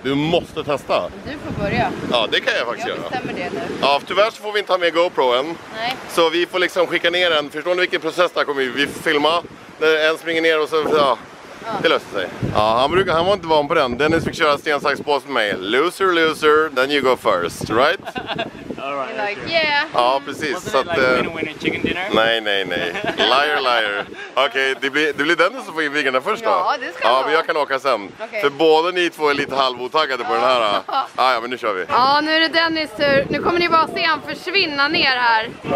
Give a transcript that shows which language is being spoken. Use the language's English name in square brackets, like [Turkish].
[Swedish] Du måste testa. Du får börja. Ja, det kan jag faktiskt göra. Jag bestämmer göra. Det nu. Ja, tyvärr så får vi inte ha med GoPro än. Nej. Så vi får liksom skicka ner den. Förstår ni vilken process där kommer vi filma? När en springer ner och så, ja. Det löste sig. Ja, han var inte van på den. Dennis fick köra stensaxpås med mig. [English] Loser, loser, then you go first, right? All right. You're like, yeah. [Swedish] Ja, precis. [English] Wasn't it like win-win chicken dinner? [Swedish] Nej. [English] Liar, liar. [Swedish] Okej, det blir Dennis som får in vingarna först då. Ja, det ska vara. Ja, men jag kan åka sen. [English] Okay. [Swedish] För båda ni två är lite halvotaggade på den här. Ja, men nu kör vi. Ja, nu är det Dennis tur. Nu kommer ni bara se han försvinna ner här.